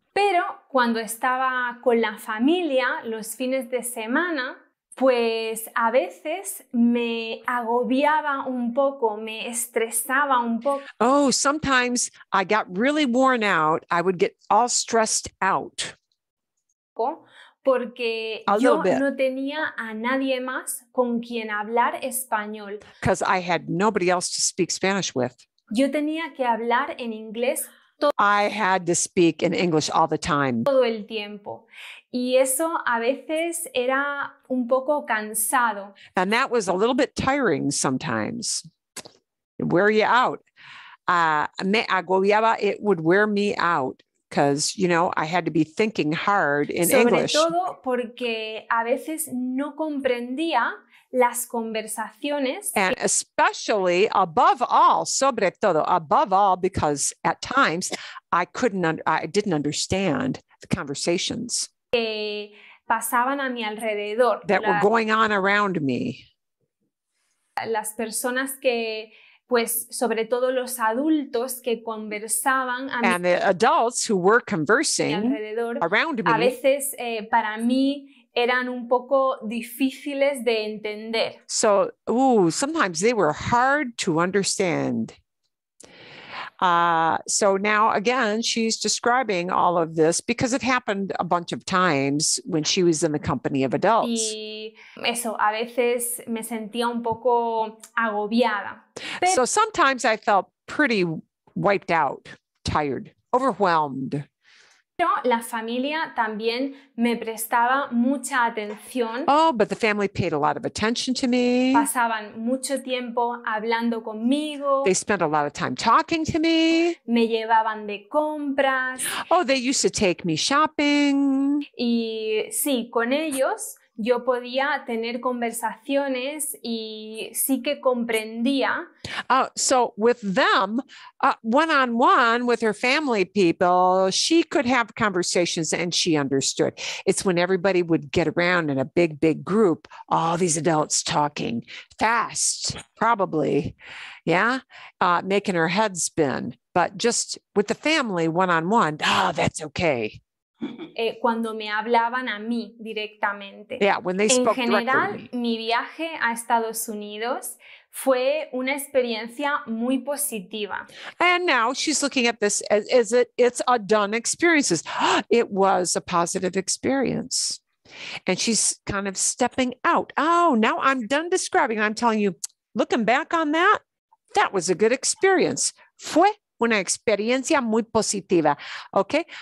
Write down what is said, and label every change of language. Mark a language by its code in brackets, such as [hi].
[es] Pero cuando estaba con la familia los fines de semana, pues a veces me agobiaba un poco, me estresaba un poco. [en] Oh, sometimes I got really worn out. I would get all stressed out. [es] Porque yo no tenía a nadie más con quien hablar español. [en] Because I had nobody else to speak Spanish with. [es] Yo tenía que hablar en inglés. [en] I had to speak in English all the time. [es] Todo el tiempo. Y eso a veces era un poco cansado. [en] And that was a little bit tiring sometimes. It wear you out. [es] Me agobiaba, [en] it would wear me out. Because, you know, I had to be thinking hard in [es] Sobre [en] English. [es] Sobre todo porque a veces no comprendía las conversaciones. [en] And especially, above all, [es] sobre todo, [en] above all, because at times I didn't understand the conversations [es] que pasaban a mi alrededor, [en] that were going on around me. [es] Las personas que, pues, sobre todo los adultos que conversaban a [en] and the adults who were conversing around me, [es] a veces para mí eran un poco difíciles de entender. [en] So, ooh, sometimes they were hard to understand. So now, again, she's describing all of this because it happened a bunch of times when she was in the company of adults. [es] Y eso, a veces me sentía un poco agobiada. [en] So sometimes I felt pretty wiped out, tired, overwhelmed. [es] Pero la familia también me prestaba mucha atención. [en] Oh, but the family paid a lot of attention to me. [es] Pasaban mucho tiempo hablando conmigo. [en] They spent a lot of time talking to me. [es] Me llevaban de compras. [en] Oh, they used to take me shopping. [es] Y sí, con ellos yo podía tener conversaciones y sí que comprendía. [en] So with them, one-on-one with her family people, she could have conversations and she understood. It's when everybody would get around in a big, big group, all these adults talking fast, probably, yeah, making her head spin. But just with the family one-on-one, oh, that's okay. [es] Cuando me hablaban a mí directamente. [en] Yeah, when they spoke [es] en general, mi viaje a Estados Unidos fue una experiencia muy positiva. [en] And now she's looking at this as it's a done experience. It was a positive experience. And she's kind of stepping out. Oh, now I'm done describing. I'm telling you, looking back on that, that was a good experience. [es] Fue una experiencia muy positiva. Okay.